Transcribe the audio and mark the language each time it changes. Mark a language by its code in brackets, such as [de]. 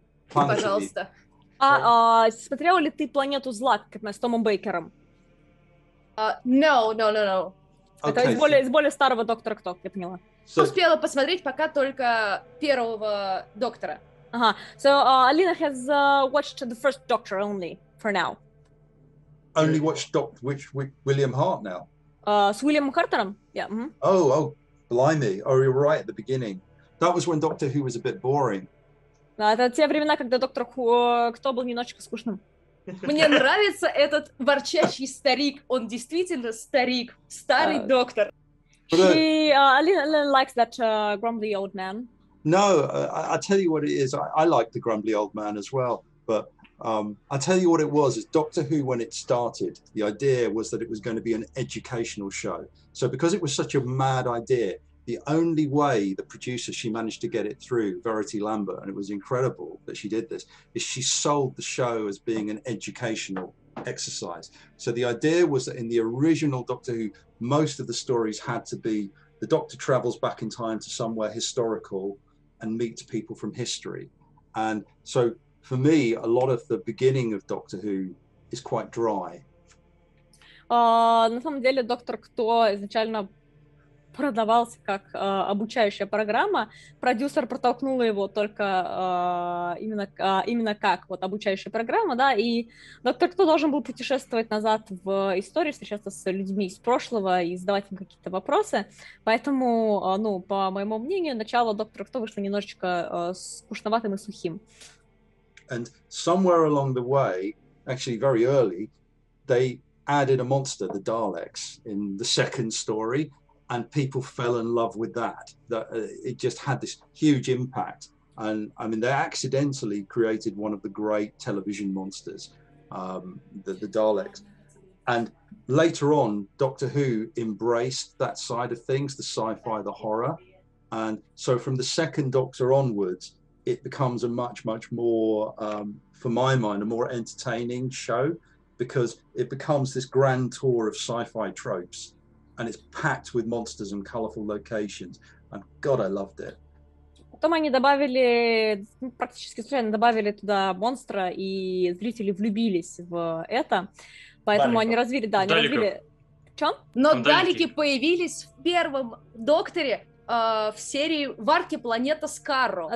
[ru] Смотрела ли ты планету зла с Томом Бейкером? [en] No. Okay. [ru] Это из более старого «Доктора Кто», я поняла. [en] So, [ru] успела посмотреть пока только первого «Доктора». Ага. [en] So, Alina has watched the first «Доктор» only, for now. Only watched «Доктор», which William Hart now? [ru] С Уильям Хартером, yeah. Mm-hmm. [en] Oh, blimey. Oh, you're right at the beginning. That was when «Доктор Who» was a bit boring. [ru] Да, это те времена, когда «Доктор Кто» был немножечко скучным. Мне нравится этот ворчащий старик. Он действительно старик. Старый доктор. [en] Alina likes that grumbly old man. No, I tell you what it is. I like the grumbly old man as well. But I tell you what it was. Doctor Who, when it started, the idea was that it was going to be an educational show. So because it was such a mad idea, the only way the producer, she managed to get it through, Verity Lambert, and it was incredible that she did this, is she sold the show as being an educational exercise. So the idea was that in the original Doctor Who, most of the stories had to be the Doctor travels back in time to somewhere historical and meets people from history. And so for me, a lot of the beginning of Doctor Who is quite dry. [ru] На самом деле, Доктор Кто изначально продавался как обучающая программа. Продюсер протолкнула его только именно как вот обучающая программа, да. И Доктор Кто должен был путешествовать назад в историю, встречаться с людьми из прошлого и задавать им какие-то вопросы. Поэтому, ну, по моему мнению, начало Доктора Кто вышло немножечко скучноватым и сухим. [en] And somewhere along the way, actually very early, they added a monster, the Daleks, in the second story, and people fell in love with that. That it just had this huge impact, and I mean, they accidentally created one of the great television monsters, the Daleks. And later on, Doctor Who embraced that side of things, the sci-fi, the horror, and so from the second Doctor onwards, it becomes a much, much more, for my mind, a more entertaining show. Because it becomes this grand tour of sci-fi tropes, and it's packed with monsters and colorful locations. And God, I loved it. [ru] Потом они добавили, практически случайно добавили туда монстра, и зрители влюбились в это. Поэтому они развили, да, они развили. Чем? Но далеки появились в первом Докторе. В серии Варки планета Скарро.